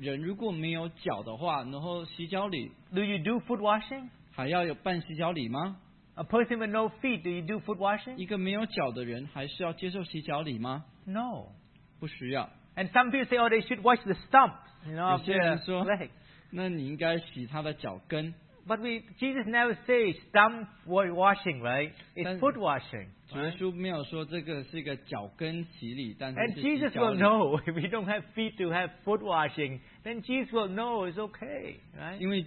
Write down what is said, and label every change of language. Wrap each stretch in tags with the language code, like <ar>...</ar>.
<zh>就好像一个人如果没有脚的话，然后洗脚礼。</zh> <en>Do you do foot washing?</en> <zh>还要有办洗脚礼吗？</zh> <en>A person with no feet, do you do foot washing?</en> <zh>一个没有脚的人还是要接受洗脚礼吗？</zh> <en>No.</en> <zh>不需要。</zh> <en>And some people say, oh, they should wash the stump, you know, of their leg.</en> <zh>那你应该洗他的脚跟。</zh> <en>But Jesus never says stump washing, right? It's foot washing.</en> <zh>主耶稣没有说这个是一个脚跟洗礼,</zh> <en>and Jesus will know if we don't have feet to have foot washing, then Jesus will know it's okay, right?</en>